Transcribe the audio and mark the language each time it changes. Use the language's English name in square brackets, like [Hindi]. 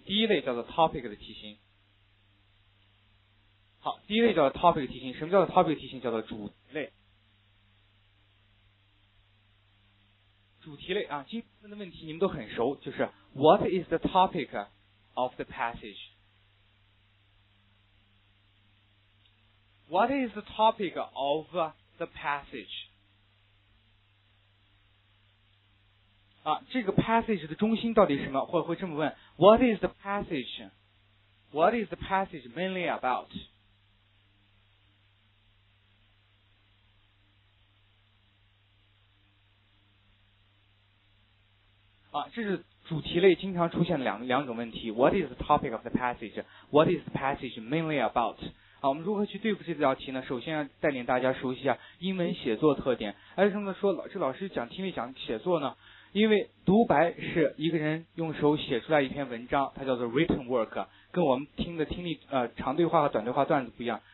[Chinese] 第一类叫做 topic 的题型，好，第一类叫做 topic 题型，什么叫做 topic 题型，叫做主题类啊，今天的问题你们都很熟，就是 [English] What is the topic of the passage? What is the topic of the passage? [Chinese] 啊，这个 passage 的中心到底是什么？或者会这么问 [English] ：What is the passage? What is the passage mainly about? [Chinese] 啊，这是主题类经常出现的两种问题。 [English] What is the topic of the passage? What is the passage mainly about? [Chinese] 啊，我们如何去对付这道题呢？首先要带领大家熟悉一下英文写作特点。为什么说老师讲听力讲写作呢？因为独白是一个人用手写出来一篇文章，它叫做 written work， 跟我们听的听力长对话和短对话段子不一样。